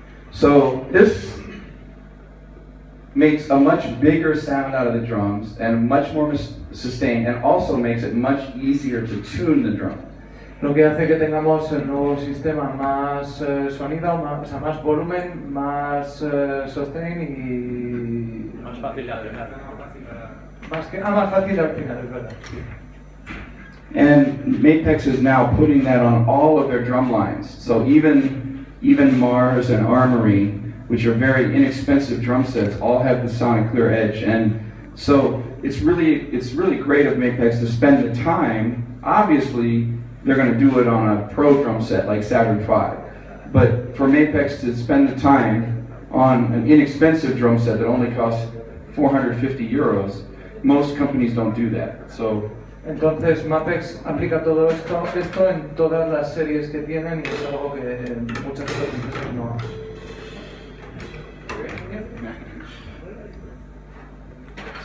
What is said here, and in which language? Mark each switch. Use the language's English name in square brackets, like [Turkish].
[English] So this makes a much bigger sound out of the drums and much more sustained, and also makes it much easier to tune the drum. [Spanish] Lo que hace que tengamos el nuevo sistema más sonido, más, o sea, más volumen, más sustain y... Más fácil de hacer. Más fácil al final, es verdad. [English] And Mapex is now putting that on all of their drum lines. So even Mars and Armory, which are very inexpensive drum sets, all have the Sonic Clear Edge. And so it's really great of Mapex to spend the time. Obviously, they're going to do it on a pro drum set like Saturn V. But for Mapex to spend the time on an inexpensive drum set that only costs 450 euros, most companies don't do that. So. [Spanish] Entonces Mapex aplica todo esto en todas las series que tienen y es algo que muchas otras empresas no hacen.